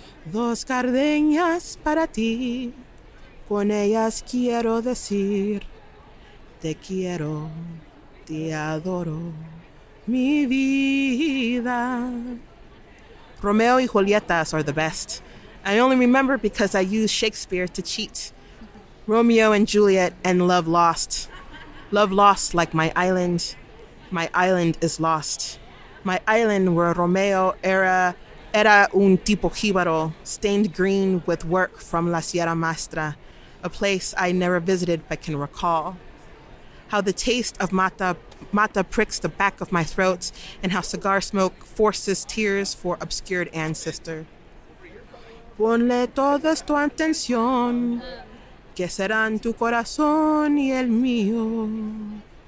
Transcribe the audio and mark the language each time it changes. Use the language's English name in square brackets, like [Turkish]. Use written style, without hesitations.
[Spanish] Dos gardenias para ti, con ellas quiero decir, te quiero, te adoro, mi vida. [English] Romeo y Julietas are the best. I only remember because I use Shakespeare to cheat. Romeo and Juliet and Love Lost. Love lost like my island. My island is lost. My island where Romeo [Spanish] era un tipo jíbaro, [English] stained green with work from La Sierra Maestra, a place I never visited but can recall. How the taste of mata pricks the back of my throat, and how cigar smoke forces tears for obscured ancestor. [Spanish] Ponle toda tu atención, que serán tu corazón y el mío.